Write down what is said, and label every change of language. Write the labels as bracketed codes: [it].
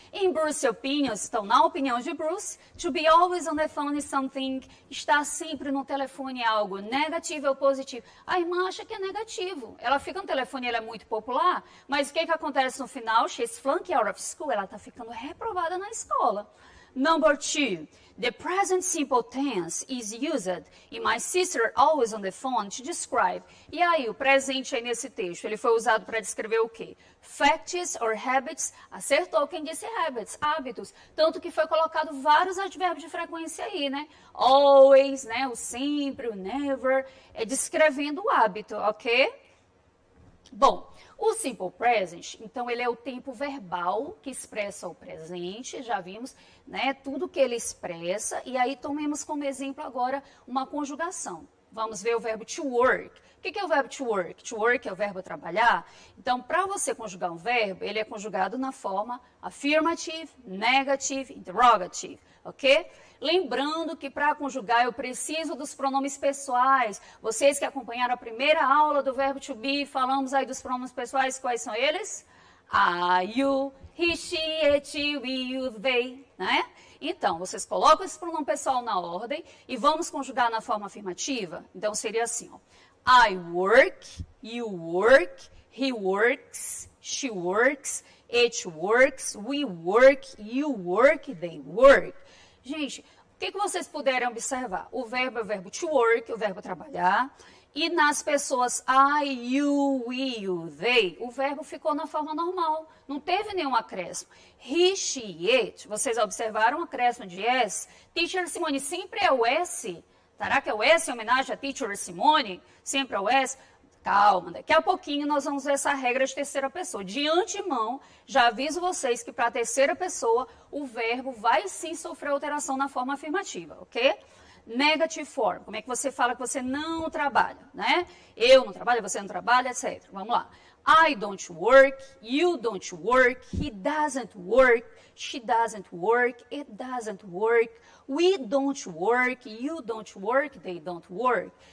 [en] In Bruce's opinions, [pt] então na opinião de Bruce, [en] to be always on the phone is something, [pt] estar sempre no telefone é algo negativo ou positivo. A irmã acha que é negativo. Ela fica no telefone, ela é muito popular, mas o que, que acontece no final? [en] She's flunking out of school. [pt] Ela está ficando reprovada na escola. [en] Number two, the present simple tense is used in my sister always on the phone to describe. [pt] E aí, o presente aí nesse texto, ele foi usado para descrever o quê? [en] Facts or habits? [pt] Acertou quem disse habits, hábitos. Tanto que foi colocado vários advérbios de frequência aí, né? Always, né? O sempre, o never, é descrevendo o hábito, ok? Bom, o simple present, então, ele é o tempo verbal que expressa o presente, já vimos, né, tudo que ele expressa. E aí, tomemos como exemplo agora uma conjugação. Vamos ver o verbo to work. O que é o verbo to work? To work é o verbo trabalhar. Então, para você conjugar um verbo, ele é conjugado na forma affirmative, negative, interrogative, ok? Lembrando que para conjugar eu preciso dos pronomes pessoais. Vocês que acompanharam a primeira aula do verbo to be, falamos aí dos pronomes pessoais. Quais são eles? [en] I, you, he, she, it, we, you, they, né? [pt] Então, vocês colocam esse pronome pessoal na ordem e vamos conjugar na forma afirmativa. Então, seria assim, ó. [en] I work, you work, he works, she works, it works, we work, you work, they work. [pt] Gente, o que, que vocês puderam observar? O verbo é o verbo to work, o verbo trabalhar. E nas pessoas I, you, we, you, they, o verbo ficou na forma normal. Não teve nenhum acréscimo. He, she, it, vocês observaram o acréscimo de S? Teacher Simone, sempre é o S? Será que é o S em homenagem a Teacher Simone? Sempre é o S? Calma, daqui a pouquinho nós vamos ver essa regra de terceira pessoa. De antemão, já aviso vocês que para a terceira pessoa, o verbo vai sim sofrer alteração na forma afirmativa, ok? Negative form, como é que você fala que você não trabalha, né? Eu não trabalho, você não trabalha, etc. Vamos lá. [en] I don't work, you don't work, he doesn't work, she doesn't work, it doesn't work, we don't work, you don't work, they don't work.